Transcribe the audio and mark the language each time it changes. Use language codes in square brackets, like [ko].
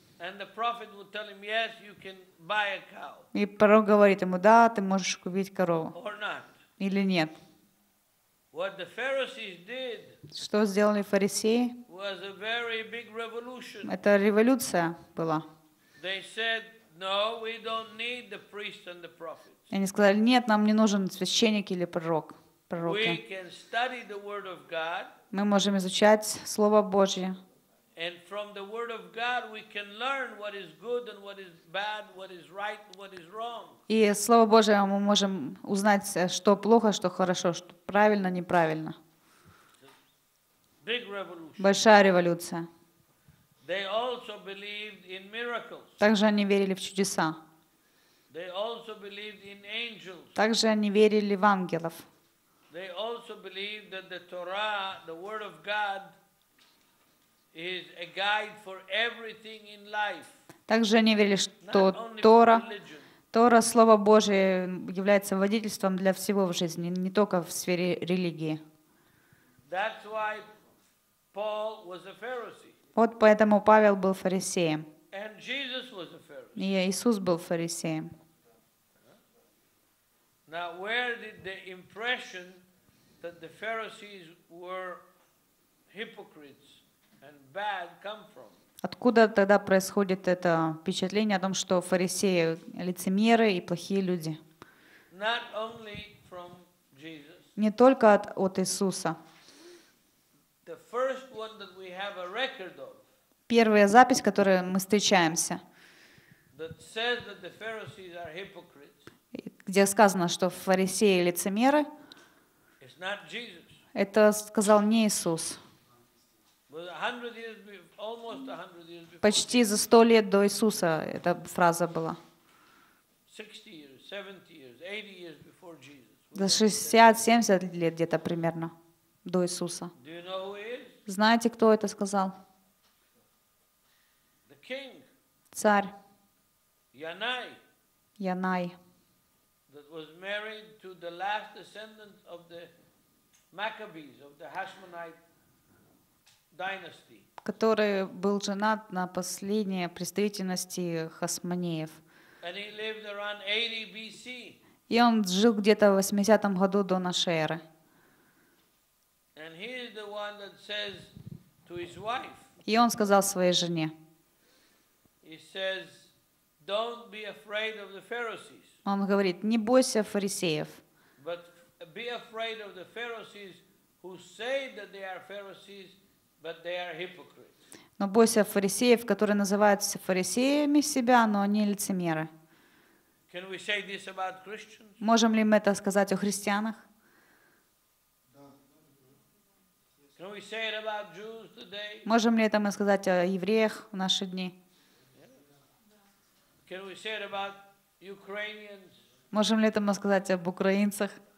[en] And the prophet would tell him, yes, you can buy a cow. [ru] И пророк говорит ему, да, ты можешь купить корову. [en] Or not. [ru] Или нет. [en] What the Pharisees did. [ru] Что сделали фарисеи? [en] Was a very big revolution. [ru] Это революция была. [en] They said, no, we don't need the priests and the prophets. [ru] Они сказали, нет, нам не нужен священник или пророк. Пророки. [en] We can study the word of God. [ru] Мы можем изучать Слово Божье. [en] And from the word of God we can learn what is good and what is bad, what is right, what is wrong. [ru] И Слово Божье мы можем узнать, что плохо, что хорошо, что правильно, неправильно. [en] Big revolution. [ru] Большая революция. [en] They also believed in miracles. [ru] Также они верили в чудеса. [en] They also believed in angels. [ru] Также они верили в ангелов. [en] They also believed that the Torah, the word of God, is a guide for everything in life. [ru] Также они верили, что Тора, Слово Божие, является водительством для всего в жизни, не только в сфере религии. [en] That's why Paul was a Pharisee. [ru] Вот поэтому Павел был фарисеем. [en] And Jesus was a Pharisee. [ru] И Иисус был фарисеем. [en] Now, where did the impression that the Pharisees were hypocrites and bad come from? [ru] Откуда тогда происходит это впечатление о том, что фарисеи лицемеры и плохие люди? [en] Not only from Jesus. [ru] Не только от Иисуса. [en] The first one that we have a record of. [ru] Первая запись, которую мы встречаемся. [en] That says that the Pharisees are hypocrites. [ru] Где сказано, что фарисеи лицемеры. [en] It's not Jesus. [ru] Это сказал не Иисус. [en] But 100 years before, almost 100 years before. [ru] Почти за 100 лет до Иисуса эта фраза была. [en] 60 years, 70 years, 80 years before Jesus. [ru] За 60-70 лет где-то примерно до Иисуса. [en] Do you know who is? [ru] Знаете, кто это сказал? [en] The king. [ru] Царь. Янай. Янай. [en] That was married to the last descendant of the Maccabees, of the Hashmonite dynasty. [ru] Который был женат на последней представительности Хасмонеев. [en] And he lived around 80 BC. [ru] И он жил где-то в 80-м году до нашей эры. [en] And he is the one that says to his wife. [ru] И он сказал своей жене. [en] He says, "Don't be afraid of the Pharisees." [ru] Он говорит, не бойся фарисеев. [en] But be afraid of the Pharisees who say that they are Pharisees, but they are hypocrites. [ru] Но бойся фарисеев, которые называются фарисеями себя, но они лицемеры. [en] Can we say this about Christians? [ru] Можем ли мы это сказать о христианах? [en] Can we say it about Jews today? [ru] Можем ли это мы сказать о евреях в наши дни? [en] Can we say it about Ukrainians? [ru] Можем ли это мы сказать об украинцах?